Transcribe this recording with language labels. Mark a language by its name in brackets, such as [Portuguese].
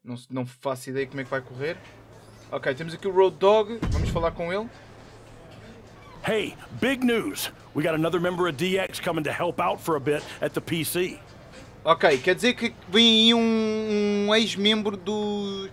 [Portuguese] Não faço ideia como é que vai correr. Ok, temos aqui o Road Dogg. Vamos falar com ele. [English] Hey, big news. We got another member of DX coming to help out for a bit at the PC. [Portuguese] Ok, quer dizer que vem aí um ex-membro do...